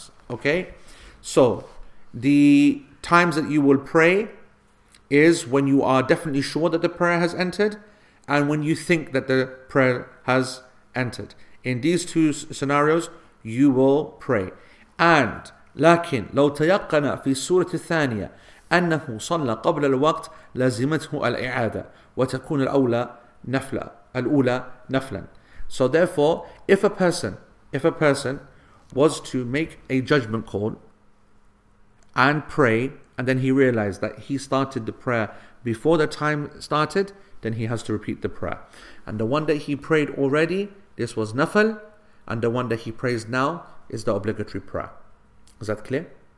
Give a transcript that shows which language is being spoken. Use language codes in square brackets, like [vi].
[en] Okay, so the times that you will pray is when you are definitely sure that the prayer has entered, and when you think that the prayer has entered. In these two scenarios, you will pray. And [ar] لكن لو تيقن في سورة الثانية أنه صلى قبل الوقت لزمته الإعادة وتكون الأولى نفلا الأولى نفلا. [en] So therefore, if a person was to make a judgment call and pray, and then he realized that he started the prayer before the time started, then he has to repeat the prayer. And the one that he prayed already, this was nafl, and the one that he prays now is the obligatory prayer. Is that clear?